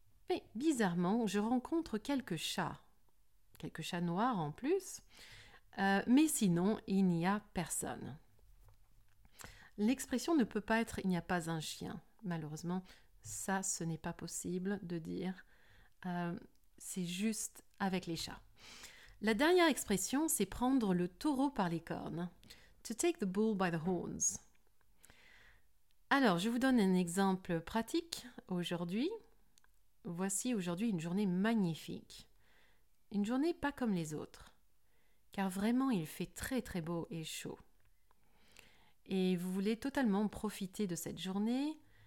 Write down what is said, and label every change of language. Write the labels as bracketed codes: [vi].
[fr] Mais bizarrement, je rencontre quelques chats noirs en plus, mais sinon, il n'y a personne. L'expression ne peut pas être « il n'y a pas un chien ». Malheureusement, ça, ce n'est pas possible de dire. C'est juste avec les chats. La dernière expression, c'est prendre le taureau par les cornes. [en] To take the bull by the horns. [fr] Alors, je vous donne un exemple pratique aujourd'hui. Voici aujourd'hui une journée magnifique. Une journée pas comme les autres. Car vraiment, il fait très très beau et chaud. Et vous voulez totalement profiter de cette journée.